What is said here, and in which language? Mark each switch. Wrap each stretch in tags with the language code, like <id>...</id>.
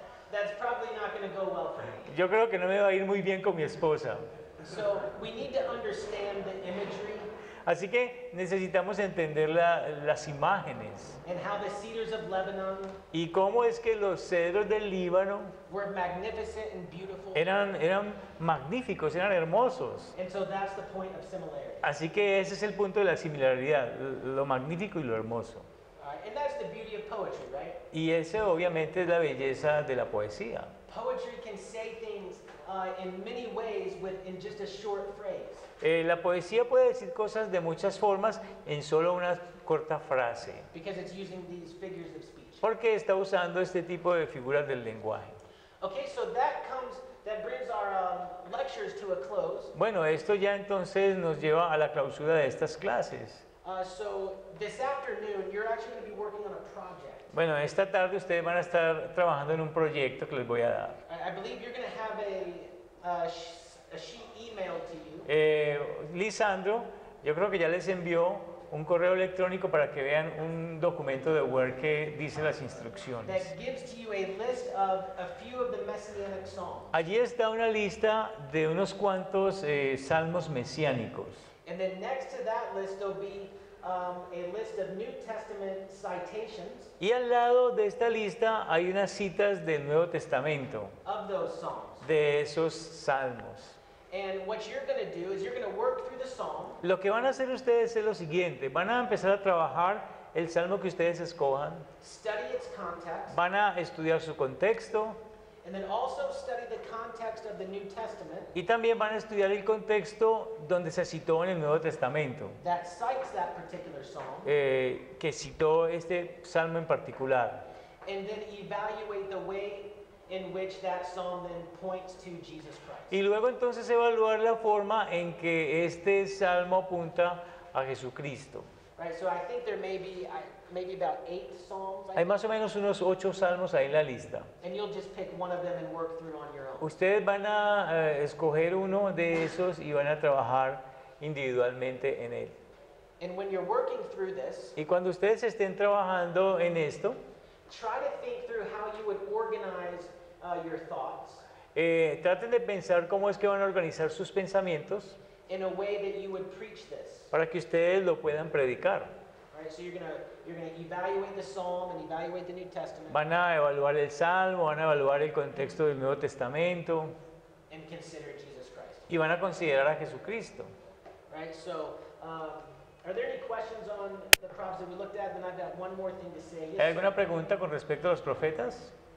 <en>That's probably not going to go well for me.</en> <es>Yo creo que no me va a ir muy bien con mi esposa.</es> <en>So we need to understand the imagery.</en> <es>Así que necesitamos entender las imágenes.</es> <en>And how the cedars of Lebanon.</en> <es>Y cómo es que los cedros del Líbano.</es> <en>Were magnificent and beautiful.</en> <es>Eran magníficos, eran hermosos.</es> <en>And so that's the point of similarity.</en> <es>Así que ese es el punto de la similaridad, lo magnífico y lo hermoso.</es> <en>And that's the beauty of poetry, right?</en> <es>Y ese obviamente es la belleza de la poesía.</es> <en>Poetry can say things in many ways within just a short phrase.</en> <es>La poesía puede decir cosas de muchas formas en solo una corta frase.</es> <en>Because it's using these figures of speech.</en> <es>Porque está usando este tipo de figuras del lenguaje.</es> <en>Okay, so that brings our lectures to a close.</en> <es>Bueno, esto ya entonces nos lleva a la clausura de estas clases.</es> <en>So this afternoon, you're actually going to be working on a project.</en> <es>Bueno, esta tarde ustedes van a estar trabajando en un proyecto que les voy a dar.</es> <en>I believe you're going to have a sheet emailed to you.</en> <es>Lisandro, yo creo que ya les envió un correo electrónico para que vean un documento de Word que dice las instrucciones.</es> <en>That gives to you a list of a few of the messianic psalms.</en> <es>Allí está una lista de unos cuantos salmos mesiánicos.</es> <en>And then next to that list there'll be a list of New Testament citations.</en> <es>Y al lado de esta lista hay unas citas del Nuevo Testamento.</es> <en>Of those psalms.</en> <es>De esos salmos.</es> <en>And what you're going to do is you're going to work through the psalm.</en> <es>Lo que van a hacer ustedes es lo siguiente: van a empezar a trabajar el salmo que ustedes escojan.</es> <en>Study its context.</en> <es>Van a estudiar su contexto.</es> <en>And then also study the context of the New Testament.</en> <es>Y también van a estudiar el contexto donde se citó en el Nuevo Testamento.</es> <en>That cites that particular psalm.</en> <es>Que citó este salmo en particular.</es> <en>And then evaluate the way in which that psalm then points to Jesus Christ.</en> <es>Y luego entonces evaluar la forma en que este salmo apunta a Jesucristo.</es> <en>Right, so I think there may be maybe about 8 psalms.</en> <es>Hay más o menos unos 8 salmos ahí en la lista.</es> <en>And you'll just pick one of them and work through on your own.</en> <es>Ustedes van a escoger uno de esos y van a trabajar individualmente en él.</es> <en>And when you're working through this,</en> <es>y cuando ustedes estén trabajando en esto,</es> <en>try to think through how you would organize your thoughts.</en> <es>Traten de pensar cómo es que van a organizar sus pensamientos.</es> <en>In a way that you would preach this.</en> <es>Para que ustedes lo puedan predicar.</es> <en>Right, so you're gonna evaluate the psalm and evaluate the New Testament.</en> <es>Van a evaluar el salmo, van a evaluar el contexto del Nuevo Testamento.</es> <en>And consider Jesus Christ.</en> <es>Y van a considerar a Jesucristo.</es> <en>Right, so. Are there any questions on the prophets that we looked at? Then I've got one more thing to say.</en> <es>¿Hay alguna pregunta con respecto a los profetas?</es>